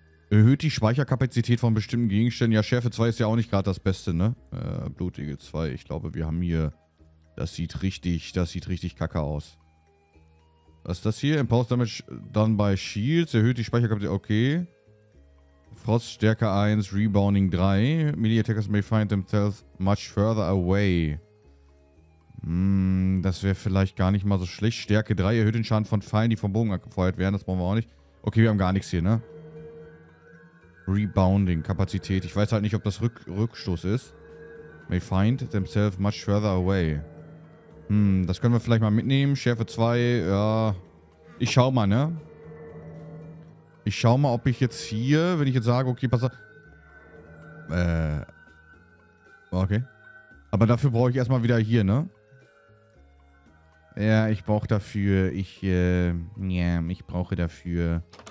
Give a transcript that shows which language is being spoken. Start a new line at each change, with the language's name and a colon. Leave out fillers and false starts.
German: Erhöht die Speicherkapazität von bestimmten Gegenständen. Ja, Schärfe 2 ist ja auch nicht gerade das Beste, ne? Blutegel 2. Ich glaube, wir haben hier... das sieht richtig kacke aus. Was ist das hier? Impulse Damage dann bei Shields. Erhöht die Speicherkapazität. Okay. Froststärke 1, Rebounding 3.
English: Melee Attackers may find themselves much further away.
German: Hm, das wäre vielleicht gar nicht mal so schlecht. Stärke 3. Erhöht den Schaden von Pfeilen, die vom Bogen abgefeuert werden. Das brauchen wir auch nicht. Okay, wir haben gar nichts hier, ne? Rebounding-Kapazität. Ich weiß halt nicht, ob das Rückstoß ist.
English: May find themselves much further away.
German: Hm, das können wir vielleicht mal mitnehmen. Schärfe 2, ja. Ich schau mal, ne? Ich schau mal, ob ich jetzt hier, wenn ich jetzt sage, okay, pass auf. Okay. Aber dafür brauche ich erstmal wieder hier, ne? Ja, ich brauche dafür, ich brauche dafür...